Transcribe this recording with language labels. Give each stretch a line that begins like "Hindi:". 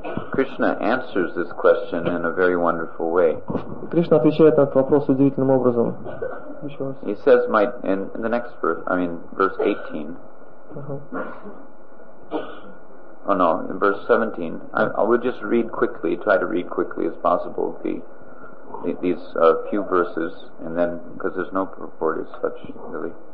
English: Krishna answers this question in a very wonderful way.
Russian: Кришна отвечает на этот вопрос удивительным образом.
English: He says, in the next verse, verse 18. Uh-huh. In verse 17. I will just read quickly. Try to read quickly as possible. These few verses, and then because there's no purport as such, really.